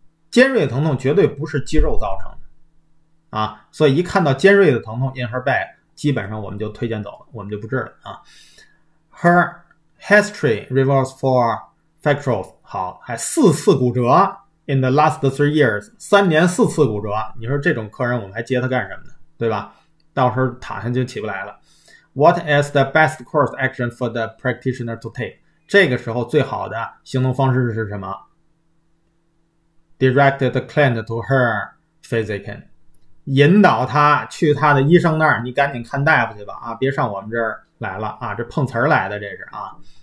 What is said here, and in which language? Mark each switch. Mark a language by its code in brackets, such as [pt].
[zh] 尖锐疼痛绝对不是肌肉造成的啊，所以一看到尖锐的疼痛 [en] in her back， [zh] 基本上我们就推荐走了，我们就不治了啊。 [en] Her history reverse for fractures， [zh] 好，还4次骨折 [en] in the last 3 years， [zh] 3年4次骨折，你说这种客人我们还接他干什么呢？对吧？到时候躺下就起不来了。 [en] What is the best course action for the practitioner to take？ [zh] 这个时候最好的行动方式是什么？ [en] Direct the client to her physician， [zh] 引导他去他的医生那儿，你赶紧看大夫去吧啊，别上我们这儿来了啊，这碰瓷儿来的这是啊。